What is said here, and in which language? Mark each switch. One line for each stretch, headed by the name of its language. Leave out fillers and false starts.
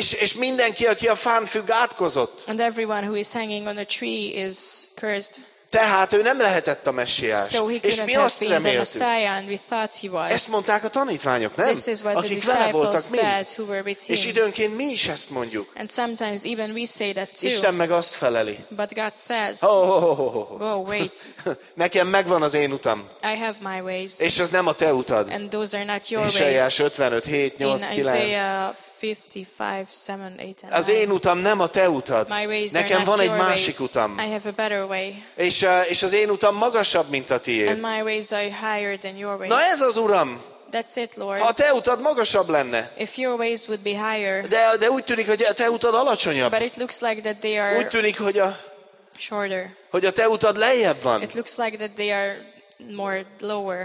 Hungarian: És mindenki, aki a fánfügg átkozott.
English: And everyone who is hanging on a tree is cursed.
Hungarian: Tehát ő nem lehetett a messiás.
English: So
Hungarian: és mi azt reméltük. Ezt mondták a tanítványok, nem? Akik vele voltak
English: said,
Hungarian: mind. És időnként mi is ezt mondjuk.
English: And sometimes even we say that too.
Hungarian: Isten meg azt feleli.
English: But God says, oh, wait.
Hungarian: Nekem megvan az én utam.
English: I have my ways.
Hungarian: És az nem a te utad.
English: And those are not your ways.
Hungarian: Isaiah 55:7-9. Az én utam nem a te utad. Nekem van egy másik utam.
English: I have a better way.
Hungarian: És az én utam magasabb, mint a tiéd.
English: And my ways are higher than your ways.
Hungarian: Na ez az, Uram!
English: That's it, Lord.
Hungarian: Ha a te utad magasabb lenne.
English: If your ways would be higher.
Hungarian: De úgy tűnik, hogy a te utad alacsonyabb.
English: But it looks like that they are
Hungarian: úgy tűnik, hogy a
English: shorter.
Hungarian: Hogy a te utad lejjebb van.
English: It looks like that they are more lower.